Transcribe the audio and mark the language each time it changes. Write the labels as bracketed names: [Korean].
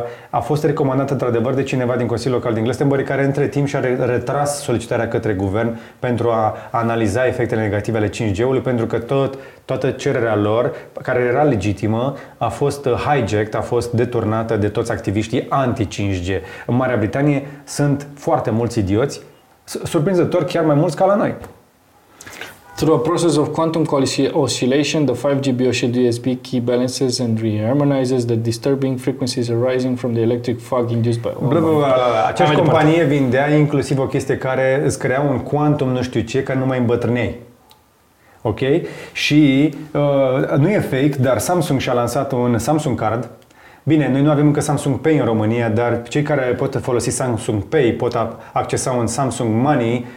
[Romanian] A fost recomandat într-adevăr de cineva din Consiliul Local din Glastonbury, care între timp și-a retras solicitarea către guvern pentru a analiza efectele negative ale 5G-ului, pentru că toată cererea lor, care era legitimă, a fost hijacked, a fost deturnată de toți activiștii anti-5G. În Marea Britanie sunt foarte mulți idioți, surprinzător chiar mai mulți ca la noi. [English] Through a process of quantum oscillation, the 5G BioShield USB key balances and reharmonizes the disturbing frequencies arising from the electric fog induced by... [Romanian] Aceeași companie vindea inclusiv o chestie care îți crea un quantum nu știu ce, ca nu mai îmbătrâneai. Ok? Și nu e fake, dar Samsung și-a lansat un Samsung Card. Bine, noi nu avem încă Samsung Pay în România, dar cei care pot folosi Samsung Pay pot accesa un Samsung Money.